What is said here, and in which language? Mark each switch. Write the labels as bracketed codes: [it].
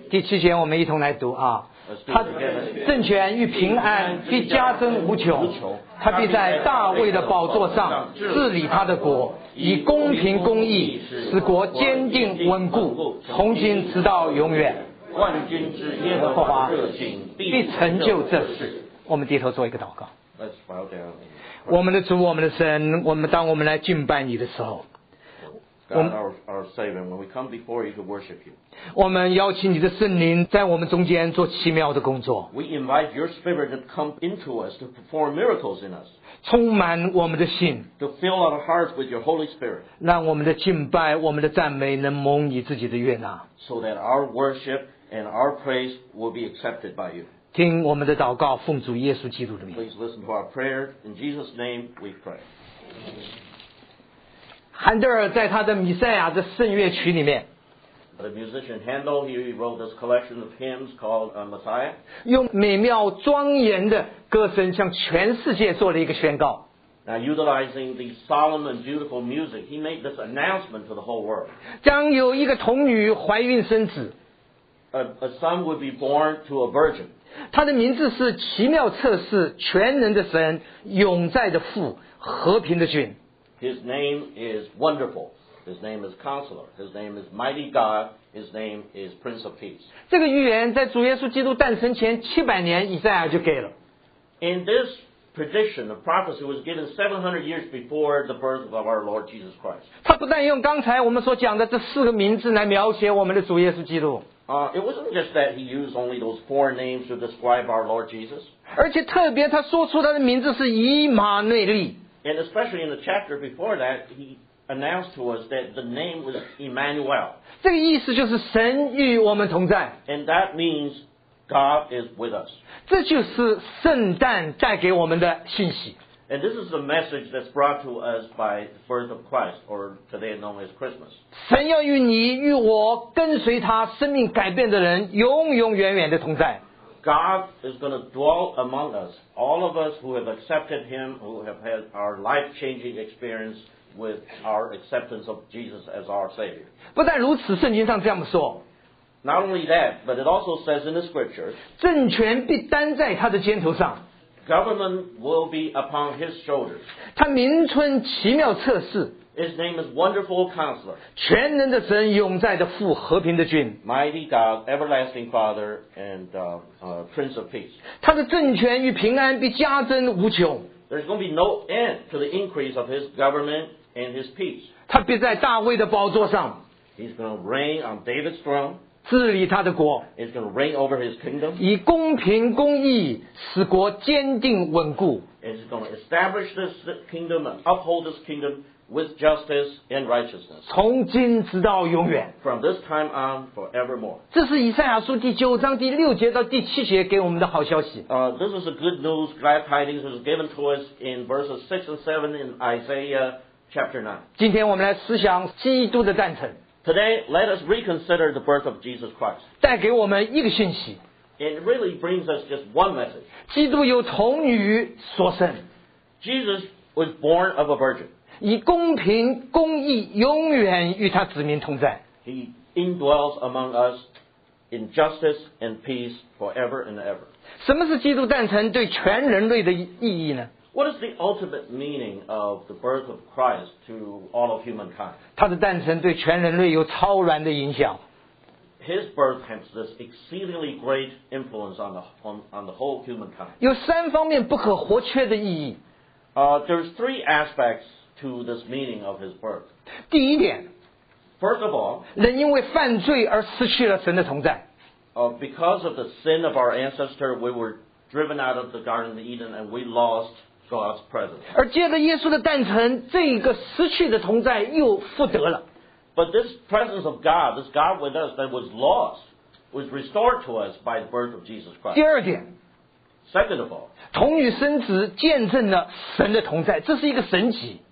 [zh] 第七节我们一同来读啊。他政权与平安必加增无穷，他必在大卫的宝座上治理他的国，以公平公义使国坚定稳固，从今直到永远。万军之耶和华热心必成就这事。我们低头做一个祷告。 [en] bow down. [zh] 我们的主，我们的神，我们当我们来敬拜你的时候。 [en] God, our Savior, when we come before you to worship you. [zh] 我们邀请你的圣灵在我们中间做奇妙的工作。 [en] We invite your Spirit to come into us to perform miracles in us. [zh] 充满我们的心。 [en] To fill our hearts with your Holy Spirit. [zh] 让我们的敬拜，我们的赞美能蒙你自己的悦纳。 [en] So that our worship and our praise will be accepted by you. [zh] 听我们的祷告，奉主耶稣基督的名。 [en] Please listen to our prayer. In Jesus' name we pray. [zh] Handel 在他的弥赛亚的圣乐曲里面 [en] The musician Handel, he wrote this collection of hymns called Messiah. [zh] 用美妙庄严的歌声向全世界做了一个宣告 [en] Now utilizing the solemn and beautiful music, he made this announcement to the whole world. [zh] 将有一个童女怀孕生子 [en] A son would be born to a virgin. [zh] 他的名字是奇妙测试全能的神永在的父和平的君 [en] His name is Wonderful. His name is Counselor. His name is Mighty God. His name is Prince of Peace. [zh] 这个预言在主耶稣基督诞生前700年以赛亚就给了。 [en] In this prediction, the prophecy was given 700 years before the birth of our Lord Jesus Christ. [zh] 他不但用刚才我们所讲的这四个名字来描写我们的主耶稣基督。 [en] It wasn't just that he used only those four names to describe our Lord Jesus. [zh] 而且特别他说出他的名字是以马内利。 [en] And especially in the chapter before that, he announced to us that the name was Emmanuel. [zh] 这个意思就是神与我们同在。 [en] And that means God is with us. [zh] 这就是圣诞带给我们的信息。 [en] And this is the message that's brought to us by the birth of Christ, or today known as Christmas. [zh] 神要与你与我跟随他生命改变的人永永远远的同在。 [en] God is going to dwell among us, all of us who have accepted Him, who have had our life-changing experience with our acceptance of Jesus as our Savior. [zh] 不但如此，圣经上这样说。 [en] Not only that, but it also says in the Scriptures, [zh] 政权必担在他的肩头上。 [en] Government will be upon His shoulders. [zh] 他名称奇妙测试。 [en] His name is Wonderful Counselor. [zh] 全能的神，永在的父，和平的君。 [en] Mighty God, Everlasting Father, and Prince of Peace. [zh] 他的政权与平安必加增无穷。 [en] There's going to be no end to the increase of his government and his peace. [zh] 他必在大卫的宝座上。 [en] He's going to reign on David's throne. [zh] 治理他的国。 [en] He's going to reign over his kingdom. [zh] 以公平公义使国坚定稳固。 [en] He's going to establish this kingdom and uphold this kingdom. With justice and righteousness. [zh] 从今直到永远。 [en] From this time on, forevermore. [zh] 这是以赛亚书第九章第六节到第七节给我们的好消息。 [en] This is a good news, glad tidings is given to us in verses 6 and 7 in Isaiah chapter 9. [zh] 今天我们来思想基督的诞辰。 [en] Today, let us reconsider the birth of Jesus Christ. [zh] 带给我们一个信息。 [en] It really brings us just one message. [zh] 基督由童女所生。 [en] Jesus was born of a virgin. [zh] 以公平公义永远与他子民同在。 [en] He indwells among us in justice and peace forever and ever. [zh] 什么是基督诞辰对全人类的意义呢 [en] ？What is the ultimate meaning of the birth of Christ to all of humankind? [zh] 他的诞辰对全人类有超然的影响。 [en] His birth has this exceedingly great influence on the whole humankind. [zh] 有三方面不可或缺的意义。 [en] There's three aspects. To this meaning of his birth. [zh] 第一点 [en] First of all, [zh] 人因为犯罪而失去了神的同在 [en] Because of the sin of our ancestor, we were driven out of the Garden of Eden and we lost God's presence. [zh] 而借着耶稣的诞辰，这个失去的同在又复得了 [en] But this presence of God, this God with us that was lost, was restored to us by the birth of Jesus Christ. [zh] 第二点 [en] Second of all, [zh] 童女生子见证了神的同在，这是一个神迹。